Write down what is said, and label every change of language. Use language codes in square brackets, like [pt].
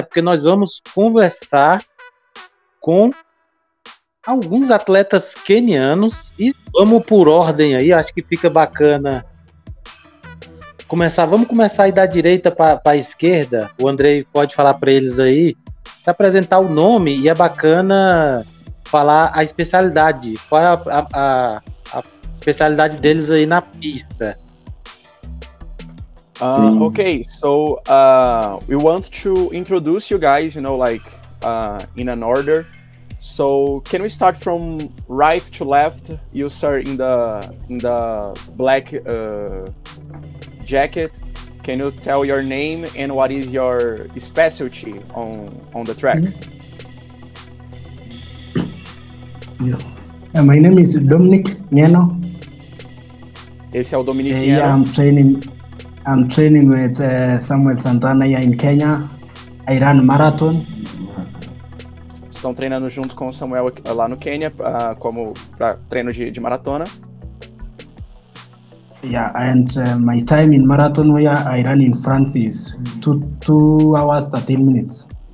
[pt] Porque nós vamos conversar com alguns atletas quenianos e vamos por ordem aí, acho que fica bacana começar. Vamos começar aí da direita para a esquerda. O Andrei pode falar para eles aí, pra apresentar o nome, e é bacana falar a especialidade, qual é a especialidade deles aí na pista. [en] Okay, so we want to introduce you guys, you know, like in an order. So can we start from right to left? You start in the black jacket. Can you tell your name and what is your specialty on the track? Yeah. My name is Dominic Nieno. [pt] Esse é o Dominic Nieno. Yeah, [en] I'm training with Samuel Santana here in Kenya. I run marathon. [pt] Estão treinando junto com o Samuel lá no Quênia, como para treino de maratona. [en] Yeah, and my time in marathon where I run in France is 2 hours 13 minutes.